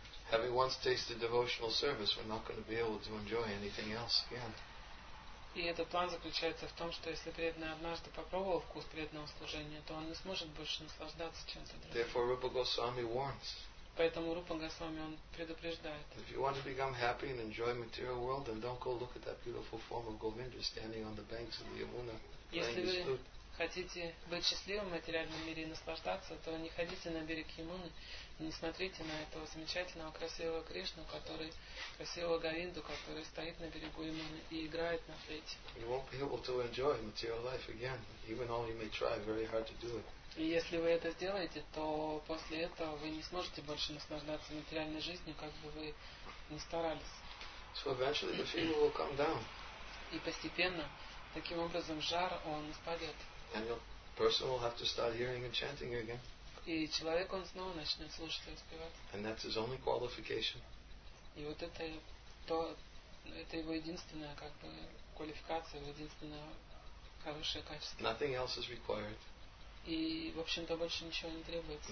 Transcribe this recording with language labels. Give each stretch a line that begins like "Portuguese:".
English: Having once tasted devotional service, we're not going to be able to enjoy anything else again.
Russian: И этот план заключается в том, что если преданный однажды попробовал вкус преданного служения, то он не сможет больше наслаждаться чем-то другим.
English: Therefore, Rupa Goswami warns.
Russian: Поэтому Рупа Госвами он предупреждает.
English: If you want to become happy and enjoy material world, then don't go look at that beautiful form of Govinda standing on the banks of the Yamuna.
Russian: Если вы хотите быть счастливым в материальном мире и наслаждаться, то не ходите на берег Ямуны, не смотрите на этого замечательного, красивого Кришну, который, красивого Говинду, который стоит на берегу Ямуны и играет на флейте.
English: You won't be able to enjoy material life again, even though you may try very hard to do it.
Russian: И если вы это сделаете, то после этого вы не сможете больше наслаждаться материальной жизнью, как бы вы ни старались.
English: So eventually the fever will come down.
Russian: И постепенно таким образом жар он спадет.
English: And the person will have to start hearing and chanting again.
Russian: И человек он снова начнет слушать и воспевать.
English: And that's his only qualification.
Russian: И вот это его единственная как бы квалификация, его единственное хорошее качество.
English: Nothing else is required.
Russian: И в общем-то больше ничего не требуется.